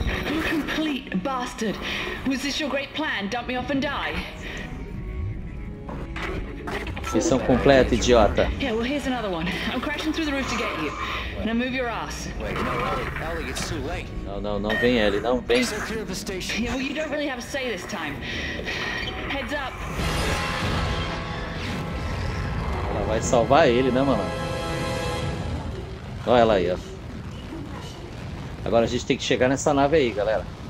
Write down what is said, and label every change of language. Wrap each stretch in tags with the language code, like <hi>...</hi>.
<en>You complete bastard. Was this your great plan? Dump me off and die.</en> <pt>Missão completa, idiota.</pt> <en>Yeah, well, here's another one. I'm crashing through the roof to get you. Now move your ass. Wait, no, Ellie, it's too late.</en> <pt>Não vem, Ellie, não vem.</pt> <en>Is it clear of the station? Yeah, well, you don't really have a say this time. Heads up.</en> <pt>Ela vai salvar ele, né, mano? Olha ela aí, ó. Agora a gente tem que chegar nessa nave aí, galera.</pt>